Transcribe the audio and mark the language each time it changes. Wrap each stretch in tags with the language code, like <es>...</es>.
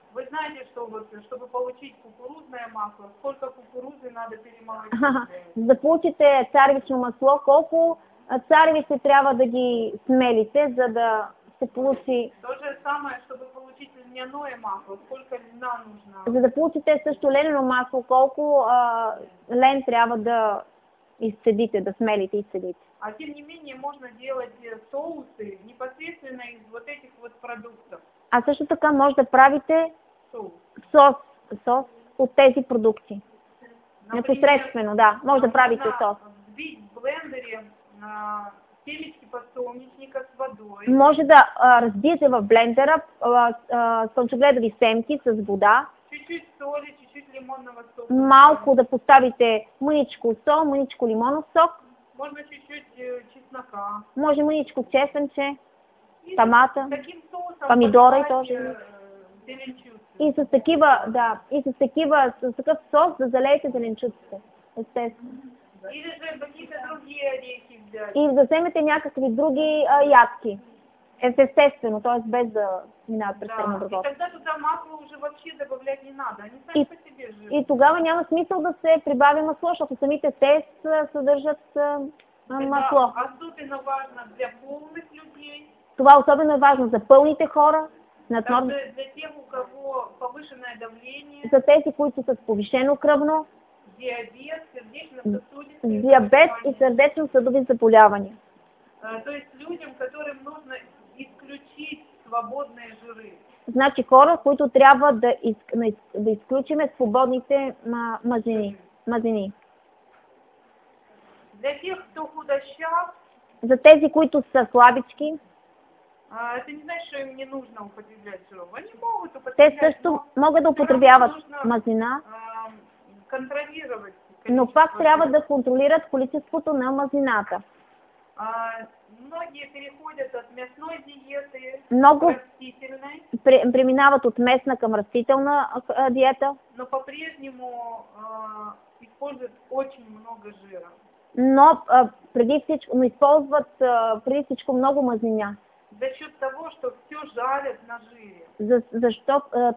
<ru>Вы знаете, что вот, чтобы получить кукурузное масло, сколько кукурузы надо перемолоть?</ru> <bg>За получите царевичное масло, колко царевицы трябва да ги смелите, за да се получи...</bg> <ru>То же самое, чтобы получить льняное масло, сколько льна нужно?</ru> <bg>За да получите също ленено масло, колко лен трябва да изцедите, да смелите изцедите.</bg> <ru>А тем не менее можно делать соусы непосредственно из вот этих вот продуктов.</ru> <bg>А също така може да правите сос, сос от тези продукти. Непосредствено, да. Може да правите сос.</bg> <ru>В блендере семечки подсолнечника с водой.</ru> <bg>Може да разбиете в блендера слънчогледови семки с вода.</bg> <ru>Чуть-чуть соли, чуть-чуть лимонного сока.</ru> <bg>Малко да поставите мъничко сол, мъничко лимонов сок.</bg> <ru>Може чуть-чуть чеснока.</ru> <bg>Може мъничко чесънче. Томата, и</bg> <ru>помидора и тоже.</ru> <bg>Зеленчуци. И с такива, да, и с такива, с такъв сос да залеете зеленчуците. Естествено.</bg> <ru>Или же какие-то другие орехи взяли.</ru> <bg>И да вземете някакви други ядки. Естествено, т.е. без да минават през термо обработка.</bg> <ru>И тогда туда масло уже вообще добавлять не надо. Они сами по себе живут.</ru> <bg>И тогава няма смисъл да се прибави масло, защото самите те съдържат масло.</bg> <ru>Да, особено важно для пълних людей.</ru> <bg>Това особено е важно за пълните хора, над норм...</bg> <ru>за тех, у кого повышенное давление,</ru> <bg>за тези, които са с повишено кръвно, диабет, сърдечно-съдови, диабет и сърдечно-съдови заболявания.</bg> <ru>То есть людям, которым нужно исключить свободные жиры.</ru> <bg>Значи хора, които трябва да, да изключим свободните мазнини. Мазнини.</bg> <ru>Для тех, кто худощав,</ru> <bg>за тези, които са слабички,</bg> <ru>это не значит, что им не нужно употреблять жиры. Они могут употреблять.</ru> <bg>Те също могат да употребяват мазнина.</bg> <ru>Контролировать.</ru> <bg>Но пак трябва да контролират количеството на мазнината.</bg> <ru>Многие переходят от мясной диеты</ru> <bg>Много</bg> <ru>к растительной.</ru> <bg>Преминават от местна към растителна диета.</bg> <ru>Но по-прежнему используют очень много жира.</ru> <bg>Но преди всичко използват преди всичко много мазнина.</bg> <ru>За счет того, что все жарят на жире.</ru>